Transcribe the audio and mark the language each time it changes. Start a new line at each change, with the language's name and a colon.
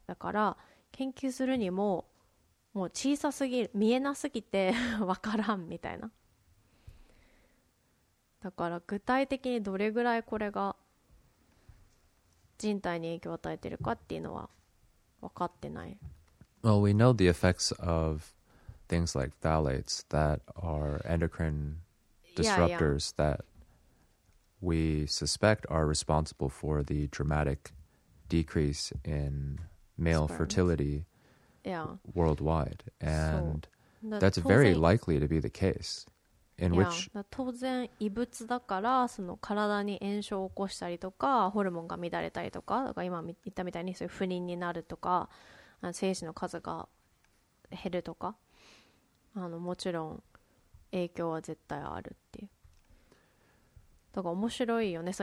Japanese: だから研究するにももう小さすぎる、見えなすぎてわからんみたいな。だから具体的にどれぐらいこれが人体に影響を与えてるかっていうのは分かってない。
English: Well, we know the effects ofthings like phthalates that are endocrine disruptors that we suspect are responsible for the dramatic decrease in male sperm fertility worldwide. And that's very likely to be the case. In which
Japanese: 当然異物だから、その体に炎症を起こしたりとかホルモンが乱れたりとか、だから今言ったみたいにそういう不妊になるとか精子の数が減るとか、もちろん影響は絶対あるっていう。だから面白いよね。